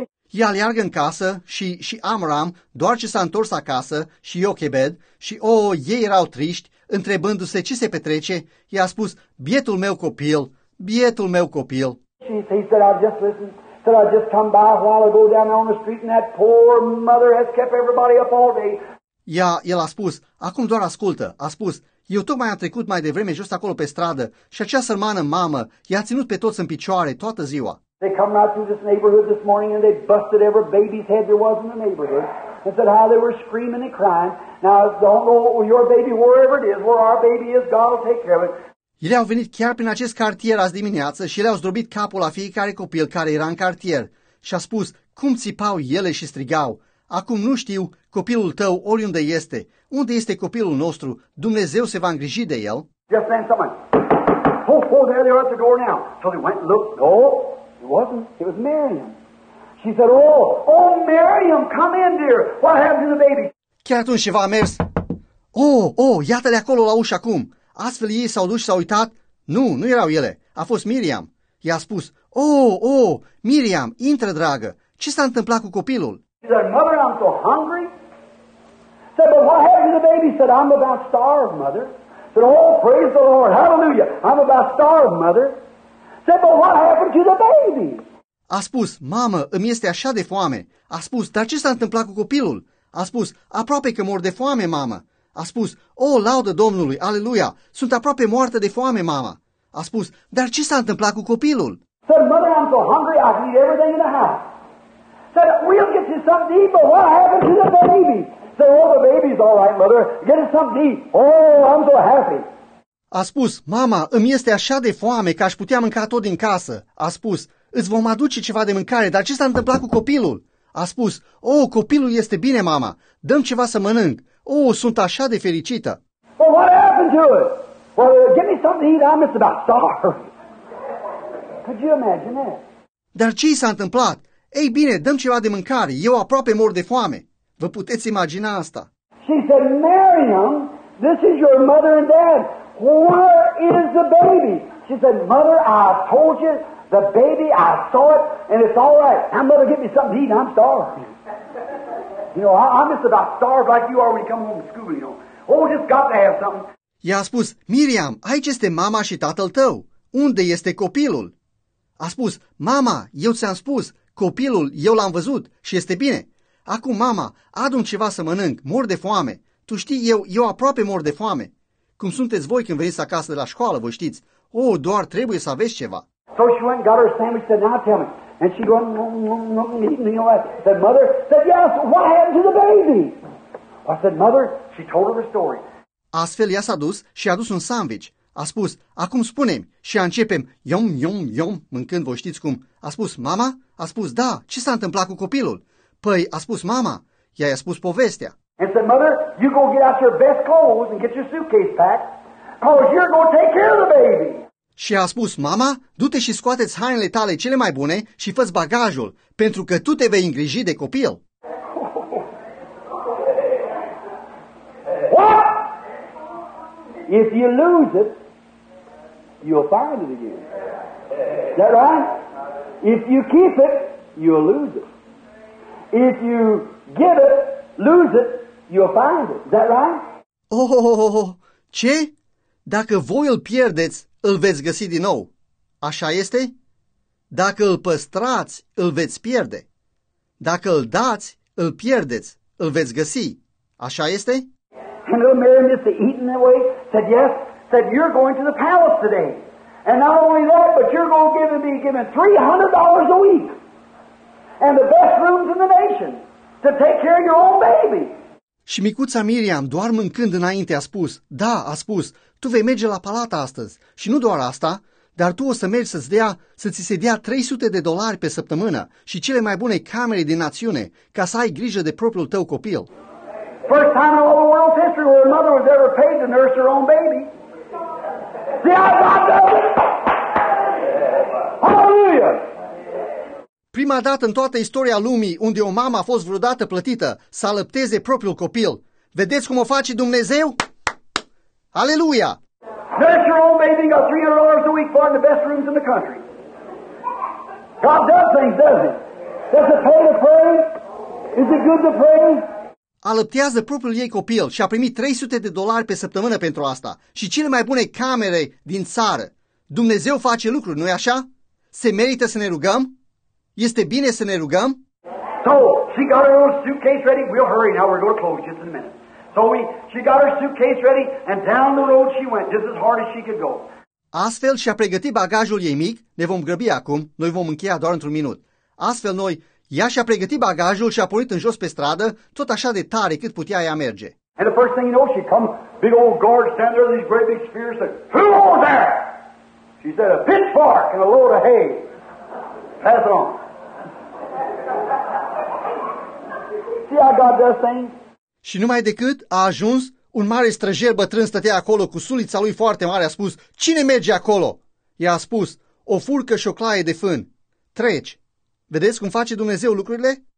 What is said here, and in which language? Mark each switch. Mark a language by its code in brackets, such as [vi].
[ro] Ea aleargă în casă și Amram, doar ce s-a întors acasă, și Iochebed, și ei erau triști, întrebându-se ce se petrece, i-a spus, bietul meu copil, bietul meu copil. [en] He said, I just come by a while ago down on the street and that poor mother has kept everybody up all day. [ro] El a spus, acum doar ascultă, a spus, eu tocmai am trecut mai devreme jos acolo pe stradă și acea sărmană mamă i-a ținut pe toți în picioare toată ziua. [en] They come out through this neighborhood this morning and they busted every baby's head there was in the neighborhood and said how they were screaming and crying. Now, don't know your baby wherever it is, where our baby is, God will take care of it. [ro] Ele au venit chiar prin acest cartier azi dimineață și le-au zdrobit capul la fiecare copil care era în cartier și a spus, cum țipau ele și strigau. Acum nu știu copilul tău oriunde este, unde este copilul nostru, Dumnezeu se va îngriji de el. [en] Just then someone. Oh, oh, there they are at the door now. So they went and looked. No, it wasn't. It was Miriam. She said, oh, oh, Miriam, come in, dear. What happened to the baby? [ro] Chiar atunci ceva a mers. Oh, oh, iată-le acolo la ușă acum. Astfel ei s-au dus și s-au uitat. Nu, nu erau ele. A fost Miriam. I-a spus, oh, oh, Miriam, intră, dragă. Ce s-a întâmplat cu copilul? [en] She said, mother, I'm so hungry. Said, but what happened to the baby? Said, I'm about starved, mother. Said, oh, praise the Lord, hallelujah, I'm about starved, mother. Said, but what happened to the baby? [ro] A spus, mamă, îmi este așa de foame. A spus, dar ce s-a întâmplat cu copilul? A spus, aproape că mor de foame, mamă. A spus, o, oh, laudă Domnului, aleluia, sunt aproape moartă de foame, mama. A spus, dar ce s-a întâmplat cu copilul? [en] Said, mother, I'm so hungry, I can eat everything in the house. Said, we'll get you something to eat, but what happened to the baby? Said, oh, the baby's all right, mother, get us something to eat. Oh, I'm so happy. [ro] A spus, mama, îmi este așa de foame că aș putea mânca tot din casă. A spus, îți vom aduce ceva de mâncare, dar ce s-a întâmplat cu copilul? A spus, oh, copilul este bine, mama, dă-mi ceva să mănânc. Oh, sunt așa de fericită. [en] Well, what happened to it? Well, give me something to eat. I'm just about starved. Could you imagine that? [ro] Dar ce s-a întâmplat? Ei bine, dăm ceva de mâncare. Eu aproape mor de foame. Vă puteți imagina asta? [en] She said, Miriam, this is your mother and dad. Where is the baby? She said, mother, I told you the baby, I saw it, and it's all right. Now, mother, give me something to eat. I'm starved. You know, I'm just about starved like you are when you come home from school, you know. Oh, just got to have something. [ro] I-a spus, Miriam, aici este mama și tatăl tău. Unde este copilul? A spus, mama, eu ți-am spus, copilul, eu l-am văzut și este bine. Acum, mama, adu-mi ceva să mănânc, mor de foame. Tu știi, eu aproape mor de foame. Cum sunteți voi când veniți acasă de la școală, vă știți. Oh, doar trebuie să aveți ceva. [en] So she went and got her sandwich, said, now tell me. And she going, no, no, no, no, no. Said, mother, said, yes, what happened to the baby? I said, mother, she told her the story. [ro] Astfel ea s-a dus și a adus un sandwich. A spus, acum spune-mi și începem, yom, yom, yom, mâncând, vă știți cum. A spus, mama? A spus, da, ce s-a întâmplat cu copilul? Păi, a spus, mama, ea i-a spus povestea. [en] And said, mother, you go get out your best clothes and get your suitcase packed, cause you're going to take care of the baby. [ro] Și a spus, mama, du-te și scoate-ți hainele tale cele mai bune și fă-ți bagajul, pentru că tu te vei îngriji de copil. [en] What? If you lose it, you'll find it again. Is that right? If you keep it, you'll lose it. If you get it, lose it, you'll find it. Is that right? Oh, oh, oh, oh. Ce? [ro] Dacă voi îl pierdeți, îl veți găsi din nou. Așa este? Dacă îl păstrați, îl veți pierde. Dacă îl dați, îl pierdeți, îl veți găsi. Așa este? [en] And little Miriam just eating away, said yes, said you're going to the palace today. And not only that, but you're going to be given $300 a week. And the best rooms in the nation to take care of your own baby. [ro] Și micuța Miriam, doar mâncând înainte, a spus, da, a spus, tu vei merge la palat astăzi și nu doar asta, dar tu o să mergi să ți se dea $300 pe săptămână și cele mai bune camere din națiune ca să ai grijă de propriul tău copil. [en] First time in all the world's history where a mother was ever paid to nurse her own baby. See, I got that. Hallelujah! [ro] Prima dată în toată istoria lumii unde o mamă a fost vreodată plătită să alăpteze propriul copil. Vedeți cum o face Dumnezeu? Aleluia! [en] Nurse your own baby, got $300 a week for in the best rooms in the country. God does things, doesn't he? Does it pay to pray? Is it good to pray? [ro] Alăptează propriul ei copil și a primit $300 pe săptămână pentru asta și cele mai bune camere din țară. Dumnezeu face lucruri, nu-i așa? Se merită să ne rugăm? Este bine să ne rugăm? [en] So, she got her little suitcase ready. We'll hurry now. We're going to close just in a minute. So, she got her suitcase ready and down the road she went just as hard as she could go. [ro] Astfel și-a pregătit bagajul ei mic. Ne vom grăbi acum. Noi vom încheia doar într-un minut. Astfel noi, ea și-a pregătit bagajul și a pornit în jos pe stradă tot așa de tare cât putea ea merge. [en] And the first thing you know, she come, big old guard stand there with these great big spears and said, who was that? She said, a pitchfork and a load of hay. Pass it on. See how God does things? [ro] Și numai decât a ajuns, un mare străjer bătrân stătea acolo cu sulița lui foarte mare. A spus, cine merge acolo? I-a spus, o furcă și o claie de fân. Treci. Vedeți cum face Dumnezeu lucrurile?